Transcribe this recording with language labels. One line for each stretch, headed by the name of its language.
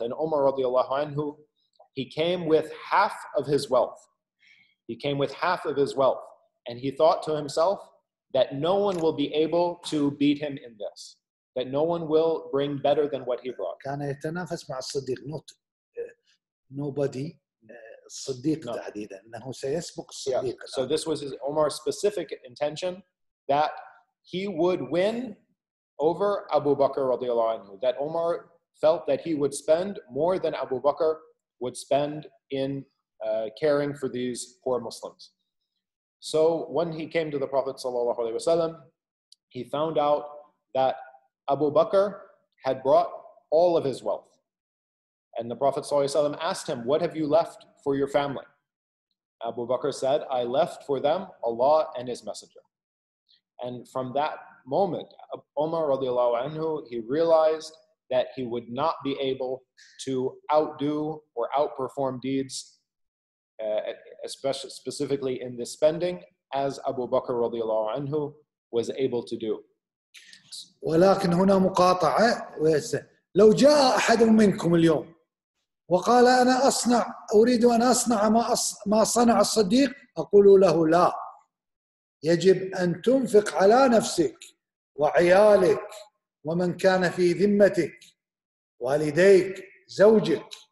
English: And Umar radiallahu anhu, he came with half of his wealth. He came with half of his wealth. And he thought to himself that no one will be able to beat him in this, that no one will bring better than what he brought.
Arabic: كان يتنافس مع الصديق.
English: Not nobody.
Arabic: الصديق تحديدا انه سيسبق الصديق.
English: So this was his Omar's specific intention, that he would win over Abu Bakr radiallahu anhu, that Omar felt that he would spend more than Abu Bakr would spend in caring for these poor Muslims. So when he came to the Prophet sallallahu alaihi wasallam, he found out that Abu Bakr had brought all of his wealth. And the Prophet ﷺ asked him, what have you left for your family? Abu Bakr said, I left for them Allah and His Messenger. And from that moment, Umar radiallahu anhu, he realized that he would not be able to outdo or outperform deeds, especially specifically in this spending, as Abu Bakr radiallahu anhu was able to do.
Arabic: ولكن هنا مقاطعة ويسا لو جاء أحد منكم اليوم وقال أنا أصنع أريد أن أصنع ما صنع الصديق، أقول له لا، يجب أن تنفق على نفسك وعيالك ومن كان في ذمتك، والديك، زوجك،